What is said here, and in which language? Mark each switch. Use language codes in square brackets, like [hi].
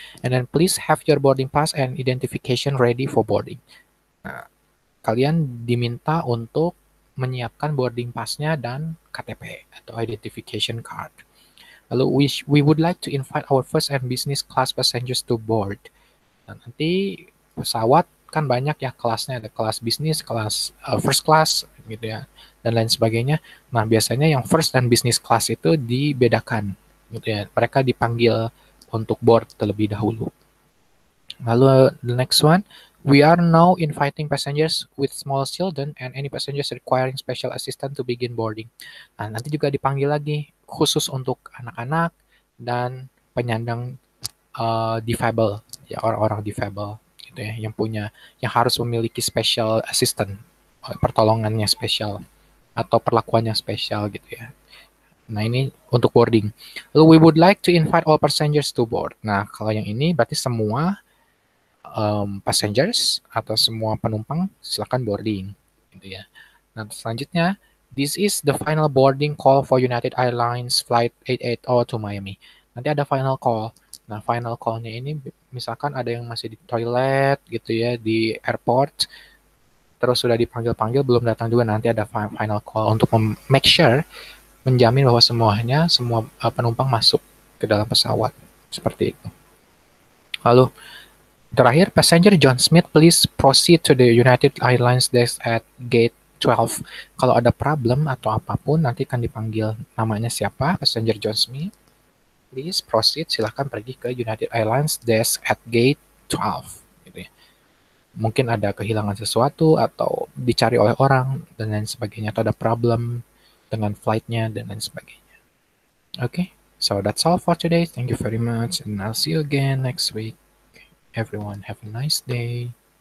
[en] And then please have your boarding pass and identification ready for boarding. [id] Nah, kalian diminta untuk menyiapkan boarding pass-nya dan KTP atau identification card. Lalu [en] we would like to invite our first and business class passengers to board. [id] Nah, nanti pesawat kan banyak ya kelasnya, ada kelas bisnis, kelas first class gitu ya dan lain sebagainya. Nah, biasanya yang first and business class itu dibedakan gitu ya. Mereka dipanggil untuk board terlebih dahulu. Lalu [en] the next one, we are now inviting passengers with small children and any passengers requiring special assistance to begin boarding. [id] Nah, nanti juga dipanggil lagi khusus untuk anak-anak dan penyandang disable, ya orang-orang disable gitu ya, yang punya, yang harus memiliki special assistant, pertolongannya special atau perlakuannya special gitu ya. Nah, ini untuk boarding. Lalu, [en] we would like to invite all passengers to board. [id] Nah, kalau yang ini berarti semua passengers atau semua penumpang silakan boarding gitu ya. Nah, selanjutnya, [en] this is the final boarding call for United Airlines flight 880 to Miami. [id] Nanti ada final call. Nah, final call-nya ini misalkan ada yang masih di toilet gitu ya, di airport, terus sudah dipanggil-panggil belum datang juga, nanti ada final call untuk make sure, menjamin bahwa semuanya, semua penumpang masuk ke dalam pesawat. Seperti itu. Lalu, terakhir, [en] passenger John Smith, please proceed to the United Airlines desk at gate 12. [id] Kalau ada problem atau apapun, nanti akan dipanggil namanya siapa, passenger John Smith. [en] Please proceed, [id] silakan pergi ke [en] United Airlines desk at gate 12. [id] Gitu ya. Mungkin ada kehilangan sesuatu atau dicari oleh orang dan lain sebagainya, atau ada problem dengan flight-nya dan lain sebagainya. [en] Okay, so that's all for today. Thank you very much and I'll see you again next week. Everyone, have a nice day.